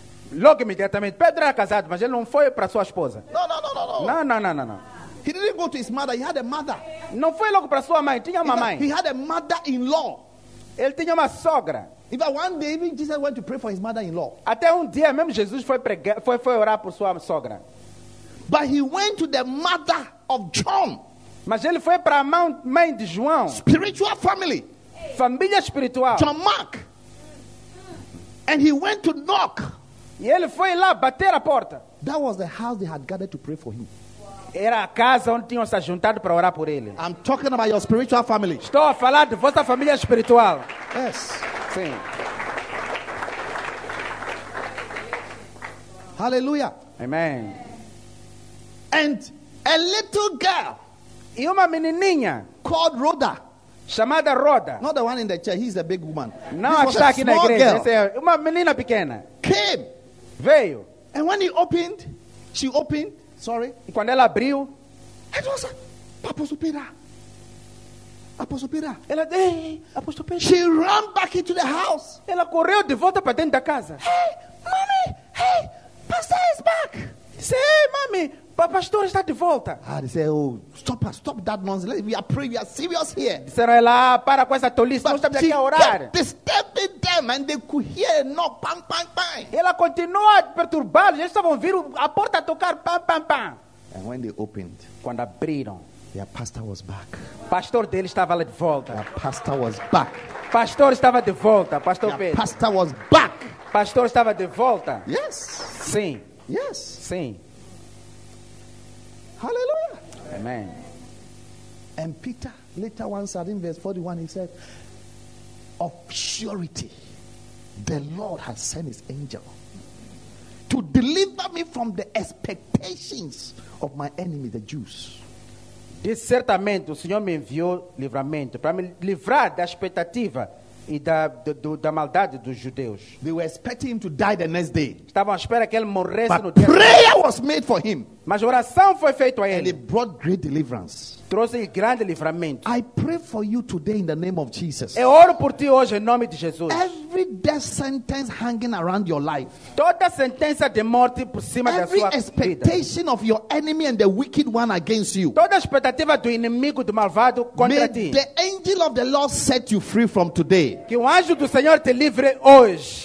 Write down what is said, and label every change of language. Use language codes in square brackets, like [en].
[pt] Logo imediatamente, Pedro era casado, mas ele não foi para sua esposa. [en] No. He didn't go to his mother. He had a mother. [pt] Não foi logo para sua mãe. Tinha uma mãe. [en] He had a mother-in-law. [pt] Ele tinha uma sogra. [en] If one day even Jesus went to pray for his mother-in-law. [pt] Até dia mesmo Jesus foi orar por sua sogra. [en] But he went to the mother of John. [pt] Mas ele foi para a mãe de João. [en] Spiritual family. [pt] Família espiritual. [en] John Mark. And he went to knock. [pt] E ele foi lá bater a porta. [en] That was the house they had gathered to pray for him. [pt] Era a casa onde tinham se juntado para orar por ele. [en] I'm talking about your spiritual family. [pt] Estou a falar de vossa família espiritual. [en] Yes. [pt] Sim. [en] Hallelujah. [pt] Amen. [en] And a little girl. [pt] E uma menininha. [en] Called Rhoda. [pt] Chamada Rhoda. [en] Not the one in the chair. He's a big woman. [pt] Não, [en] this was a small girl. [pt] Uma menina pequena. [en] Came. [pt] Veio. [en] And when he opened, she opened. Sorry. [pt] E quando ela abriu, [en] it was Apostle Peter. Apostle Peter. [pt] Ela disse, hey, Apostle Peter. [en] She ran back into the house. [pt] Ela correu de volta para dentro da casa. [en] Hey, mommy. Hey, pastor is back. Say, hey, mommy. [pt] Pastor está de volta. [en] Ah, they say, oh, stop that nonsense. We are praying. We are serious here. [pt] Disseram ela, para com essa tolice. Nós estamos aqui a orar. [en] She kept disturbing them, and they could hear a knock, pam pam pam. [pt] Ela continuou a perturbar. Eles estavam ouvindo a porta tocar, pam pam pam. [en] And when they opened, [pt] quando abriram, [en] their pastor was back. [pt] Pastor dele estava lá de volta. [en] Their pastor was back. [pt] Pastor estava de volta. Pastor Pedro. [en] Pastor was back. [pt] Pastor estava de volta. [en] Yes. [pt] Sim. [en] Yes. [pt] Sim. [en] Hallelujah. [pt] Amen. [en] And Peter, later on, in verse 41, he said, of surety, the Lord has sent his angel to deliver me from the expectations of my enemy, the Jews. [pt] E certamente o Senhor me enviou livramento para me livrar da expectativa e da maldade dos judeus. [en] They were expecting him to die the next day. [pt] Estavam à espera que ele morresse [en] But [pt] no dia. [en] Prayer was made for him. [pt] Mas oração foi feita a ele. [en] And it brought great deliverance. [pt] Trouxe grande livramento. [en] I pray for you today in the name of Jesus. [pt] Eu oro por ti hoje em nome de Jesus. [en] Every death sentence hanging around your life. [pt] Toda sentença de morte por cima da sua vida. [en] Every expectation of your enemy and the wicked one against you. [pt] Toda expectativa do inimigo do malvado contra ti. [en] May the angel of the Lord set you free from today. [pt] Que o anjo do Senhor te livre hoje.